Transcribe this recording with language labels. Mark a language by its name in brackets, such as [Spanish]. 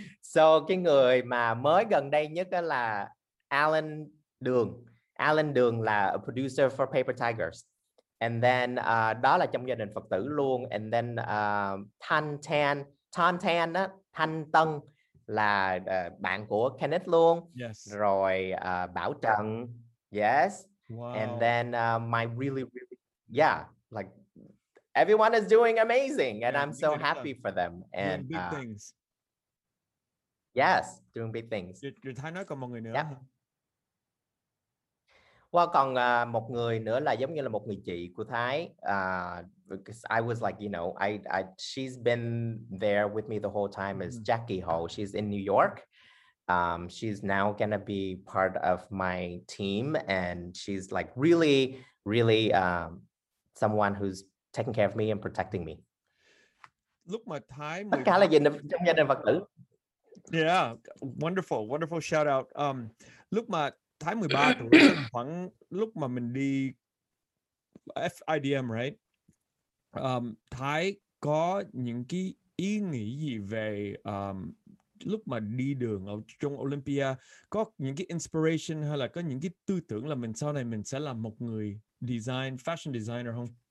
[Vietnamese] So cái người mà mới gần đây nhất đó là Alan Đường. Alan Đường là [English] a producer for Paper Tigers. And then [Vietnamese] đó là trong gia đình Phật tử luôn. [English] And then [Vietnamese] Tan Tan, Thanh Tân là bạn của Kenneth luôn. [English] Yes. [Vietnamese] Rồi Bảo Trần. [English] Yes. Wow. And then my really, really, yeah, like everyone is doing amazing and yeah, I'm so happy for them. And doing big things. Yes, doing big things. Did [Vietnamese] Thái nói còn một người nữa. [English] Yep. Well, [Vietnamese] còn một người nữa là giống như là một người chị của Thái. [English] Because I was like, you know, I she's been there with me the whole time is Jackie Ho. She's in New York. She's now gonna be part of my team, and she's like really, really someone who's taking care of me and protecting me. [Vietnamese] Lúc mà Thái tất cả là gì trong gia đình Phật tử. [English] Yeah, wonderful, wonderful shout out. [Vietnamese] Lúc mà Thái 13 tuổi, khoảng lúc mà mình đi FIDM, [English] right? [Vietnamese] Thái có những cái ý nghĩ gì về lúc mà đi đường ở trong Olympia, có những cái inspiration hay là có những cái tư tưởng là mình sau này mình sẽ là một người design, fashion designer không?